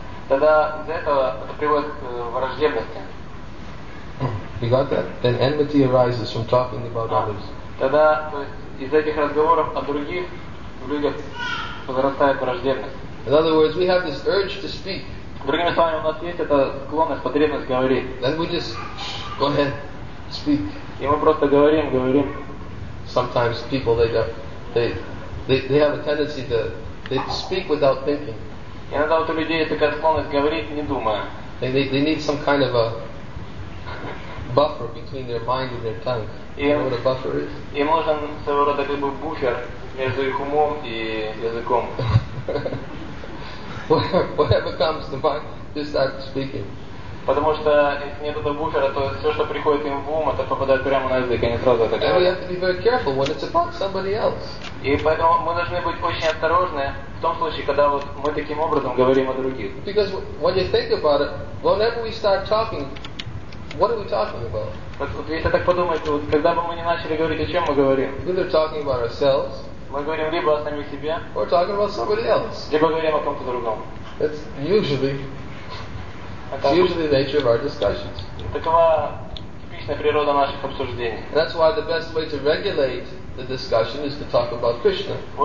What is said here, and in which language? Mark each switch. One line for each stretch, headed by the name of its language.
Russian: Тогда из-за этого это приводит к враждебности.
English: You got that? Then enmity arises from talking about others.
Russian: Тогда, то есть, из этих разговоров о других людях возрастает враждебность.
English: In other words, we have this urge to speak.
Russian: Другими словами, у нас есть эта склонность, потребность говорить.
English: Then we just go ahead, speak.
Russian: И мы просто говорим.
English: Sometimes people they have a tendency to they speak without thinking.
Russian: Иногда вот у людей есть такая склонность говорить, не думая.
English: They need some kind of a buffer between their mind and their tongue. You know what a buffer is?
Russian: Им нужен своего рода как бы буфер между их умом и языком.
English: Whatever comes to mind, just start speaking.
Russian: Потому что если нет этого буфера, то все, что приходит им в ум, это попадает прямо на язык, и они сразу это говорят.
English: And we have to be very careful when it's about somebody else.
Russian: И поэтому мы должны быть очень осторожны в том случае, когда вот мы таким образом говорим о других.
English: Because when you think about it, whenever we start talking, what are we talking about?
Russian: Вот если так подумать, вот когда бы мы не начали говорить, о чем мы говорим?
English: Either talking about ourselves.
Russian: Мы говорим либо о самих себе.
English: Or talking about somebody else.
Russian: Либо говорим о ком-то другом.
English: It's usually. It's usually the nature of our discussions. And that's why the best way to regulate the discussion is to talk about Krishna.